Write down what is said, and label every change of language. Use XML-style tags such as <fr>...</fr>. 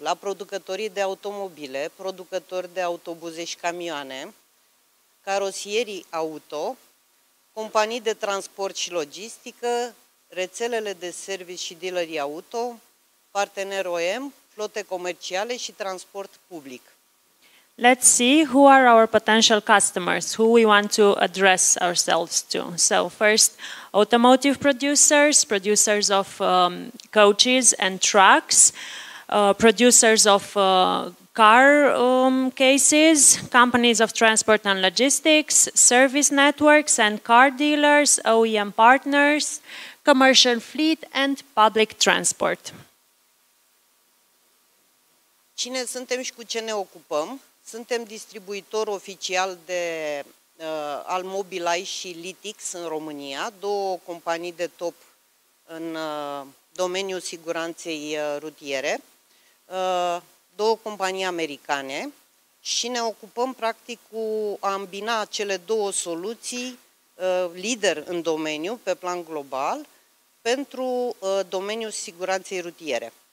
<ro>La producătorii de automobile, producători de autobuze și camioane, carosierii auto, companii de transport și logistică, rețelele de servicii și dealerii auto, partener OEM, flote comerciale și transport public.</ro> <en>Let's see who are our potential customers, who we want to address ourselves to. So first, automotive producers, producers of coaches and trucks, producers of car cases, companies of transport and logistics, service networks and car dealers, OEM partners, commercial fleet and public transport.</en> <ro>Cine suntem și cu ce ne ocupăm? Suntem distribuitor oficial de al Mobileye și Litix în România, două companii de top în domeniul siguranței rutiere, două companii americane și ne ocupăm practic cu a îmbina cele două soluții lider în domeniu pe plan global pentru domeniul siguranței rutiere.</ro>